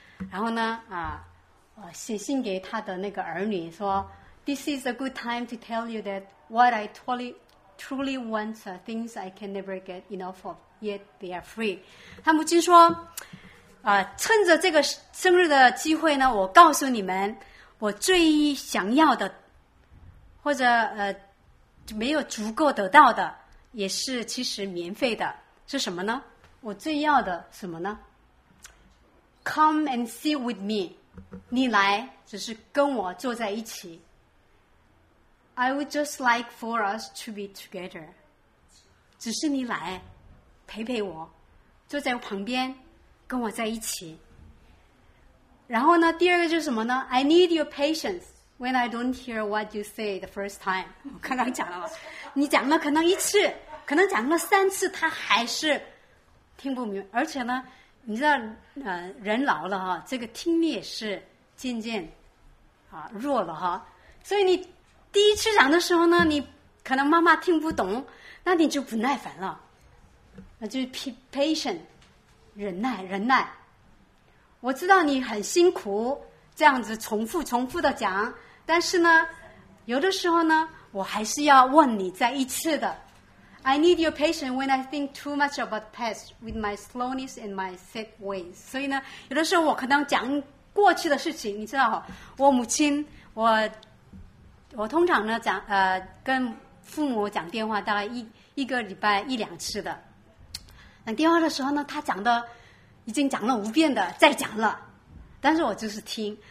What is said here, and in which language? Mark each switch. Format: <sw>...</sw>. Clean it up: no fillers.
<zh>然后呢写信给他的那个儿女说，</zh> <en>This is a good time to tell you that what I truly want are things I can never get enough of, yet they are free.</en> <zh>他母亲说趁着这个生日的机会呢，我告诉你们我最想要的，或者没有足够得到的，也是其实免费的，是什么呢？我最要的什么呢？</zh> <en>Come and sit with me.</en> <zh>你来只是跟我坐在一起。</zh> <en>I would just like for us to be together.</en> <zh>只是你来陪陪我，坐在我旁边跟我在一起。然后呢，第二个就是什么呢？</zh> <en>I need your patience when I don't hear what you say the first time.</en> <zh>我刚刚讲了，你讲了可能一次，可能讲了三次，他还是听不明白。而且呢，你知道人老了哈，这个听力也是渐渐弱了哈。所以你第一次讲的时候呢，你可能妈妈听不懂，那你就不耐烦了，那就是 patient 忍耐，忍耐。我知道你很辛苦，这样子重复的讲，但是呢，有的时候呢，我还是要问你再一次的。</zh> <en>I need your patience when I think too much about the past with my slowness and my set ways.</en> <zh>所以呢，有的时候我可能讲过去的事情，你知道，我母亲，我通常呢讲跟父母讲电话大概一个礼拜一两次的。讲电话的时候呢，他讲的已经讲了5遍的，再讲了，但是我就是听。</zh>